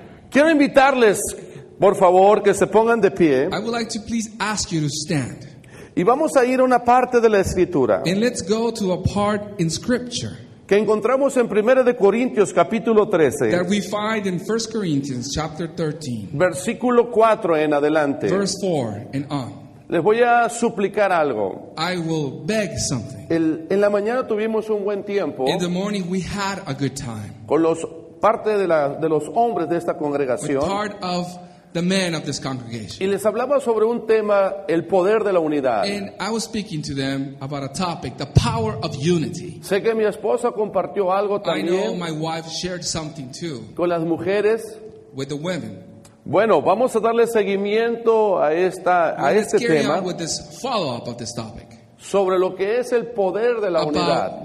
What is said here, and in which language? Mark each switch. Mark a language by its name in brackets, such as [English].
[Spanish] Quiero invitarles, por favor, que se pongan de pie. [English] I would like to please ask you to stand. [Spanish] Y vamos a ir a una parte de la escritura. [English] And let's go to a part in scripture. [Spanish] Que encontramos en 1 de Corintios capítulo 13. [English] That we find in 1 Corinthians chapter 13. [Spanish] Versículo 4 en adelante. [English] Verse 4 and on. [Spanish] Les voy a suplicar algo. [English] I will beg something. [Spanish] En la mañana tuvimos un buen tiempo. [English] In the morning we had a good time. [Spanish] Con los parte de los hombres de esta congregación. [English] With part of the men of this congregation. [Spanish] Y les hablaba sobre un tema, el poder de la unidad. [English] And I was speaking to them about a topic, the power of unity. [Spanish] Sé que mi esposa compartió algo también. [English] I know my wife shared something too. [Spanish] Con las mujeres. [English] With the women. [Spanish] Bueno, vamos a darle seguimiento a este tema. [English] Let's carry on with this follow-up of this topic. [Spanish] sobre lo que es el poder de la unidad.